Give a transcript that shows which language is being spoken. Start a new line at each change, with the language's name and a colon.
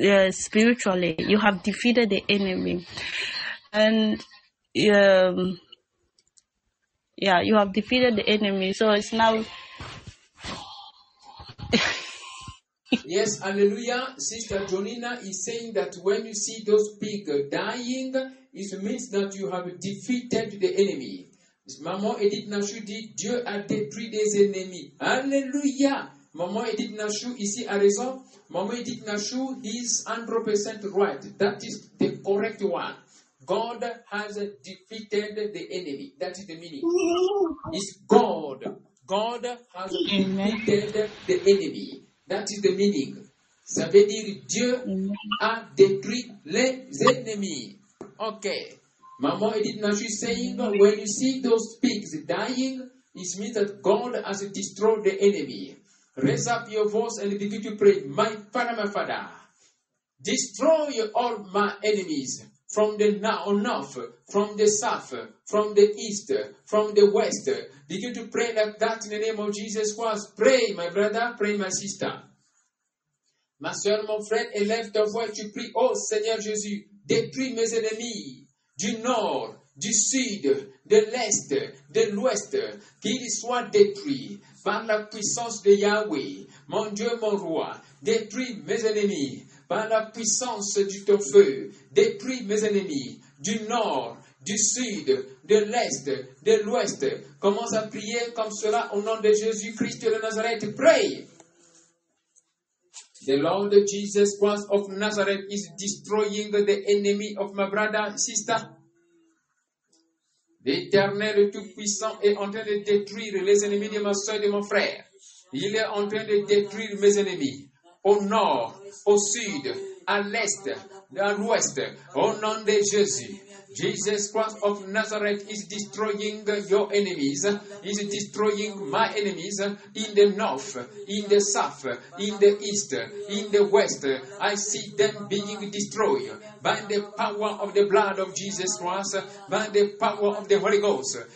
English: Spiritually, you have defeated the enemy, and you have defeated the enemy. So it's now. Yes, hallelujah. Sister Jolina is saying that when you see those pigs dying, it means that you have defeated the enemy.
French: Maman Edith Nashu dit, Dieu a détruit des ennemis. Hallelujah. Maman Edith Nashu ici a raison.
English: Maman Edith Nashu is 100% right. That is the correct one. God has defeated the enemy. That is the meaning. It's God. God has defeated the enemy. That is the meaning.
French: Ça veut dire Dieu a détruit les ennemis.
English: Ok. Maman Edith Nashu is saying, when you see those pigs dying, it means that God has destroyed the enemy. Raise up your voice and begin to pray. My Father, destroy all my enemies from the north, from the south, from the east, from the west. Begin to pray like that in the name of Jesus Christ. Pray, my brother, pray, my sister.
French: Ma soeur, mon frère, élève ta voix et tu pries, ô Seigneur Jésus, détruis mes ennemis du nord, du sud, de l'est, de l'ouest, qu'ils soient détruits par la puissance de Yahweh, mon Dieu, mon roi, détruis mes ennemis par la puissance de ton feu, détruis mes ennemis du nord, du sud, de l'est, de l'ouest. Commence à prier comme cela au nom de Jésus-Christ de Nazareth.
English: Pray. The Lord Jesus Christ of Nazareth is destroying the enemy of my brother, sister.
French: L'Éternel Tout-Puissant est en train de détruire les ennemis de ma soeur et de mon frère. Il est en train de détruire mes ennemis au nord, au sud, à l'est, à l'ouest, au nom de Jésus.
English: Jesus Christ of Nazareth is destroying your enemies, is destroying my enemies in the north, in the south, in the east, in the west. I see them being destroyed by the power of the blood of Jesus Christ, by the power of the Holy Ghost.